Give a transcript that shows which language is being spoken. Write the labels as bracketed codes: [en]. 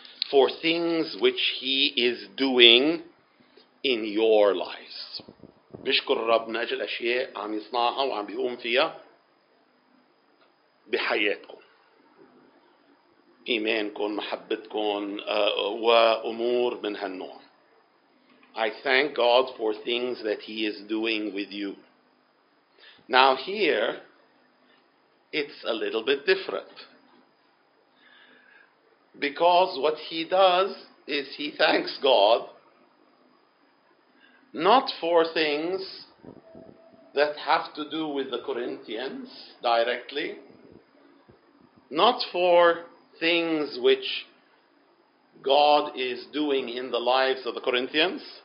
[en] For things which he is doing in your lives. [ar] بشكر رب من أجل أشياء عم يصنعها وعم بيقوم فيها بحياتكم إيمانكم محبتكم وأمور من هالنوع. [en] I thank God for things that he is doing with you. Now here, it's a little bit different. Because what he does is he thanks God not for things that have to do with the Corinthians directly, not for things which God is doing in the lives of the Corinthians.